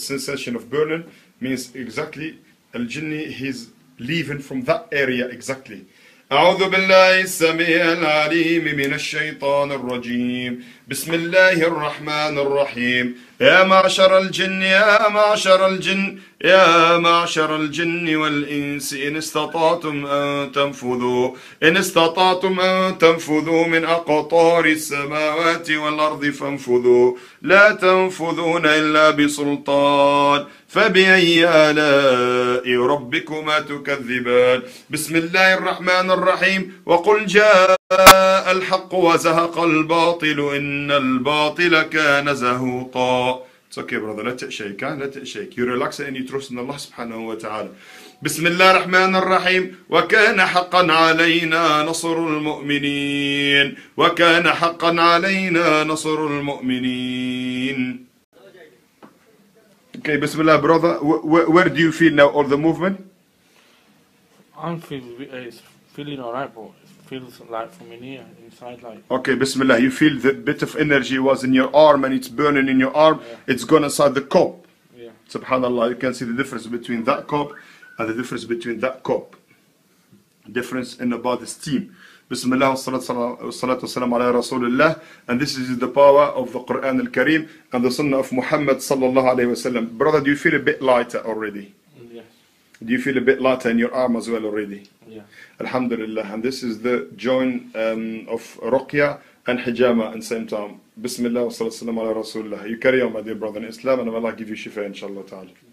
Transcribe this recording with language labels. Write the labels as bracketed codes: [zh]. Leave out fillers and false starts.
[en] Sensation of burning means exactly al-jinni, he's leaving from that area exactly. [ar] أعوذ بالله السميع العليم من الشيطان الرجيم. بسم الله الرحمن الرحيم. يا معشر الجن يا معشر الجن يا معشر الجن والإنس إن استطعتم أن تنفذوا إن استطعتم أن تنفذوا من أقطار السماوات والأرض فانفذوا لا تنفذون إلا بسلطان. فبأي آلاء ربكما تكذبان. بسم الله الرحمن الرحيم. وقل جاء الحق وزهق الباطل إن الباطل كان زهوقا. [en] It's okay brother, let it shake, huh? Let it shake. You relax and you trust in Allah subhanahu wa ta'ala. [ar] بسم الله الرحمن الرحيم. وكان حقا علينا نصر المؤمنين. وكان حقا علينا نصر المؤمنين. [en] Okay, bismillah, brother. Where do you feel now, all the movement? I'm feeling alright, bro. It feels like from in here, inside, like. Okay, bismillah. You feel the bit of energy was in your arm and it's burning in your arm. Yeah. It's gone inside the cup. Yeah. Subhanallah. You can see the difference between that cup and the difference between that cup. Difference in about the steam. [ar] بسم الله والصلاة والسلام على رسول الله. [en] And this is the power of the Quran al-Kareem and the Sunnah of Muhammad [ar] صلى الله عليه وسلم. [en] Brother, do you feel a bit lighter already? Yes. Do you feel a bit lighter in your arm as well already? Yeah. Alhamdulillah. And this is the joint of Ruqya and Hijama at the same time. [ar] بسم الله والصلاة والسلام على رسول الله. [en] You carry on, my dear brother in Islam, and Allah give you shifa, inshallah ta'ala.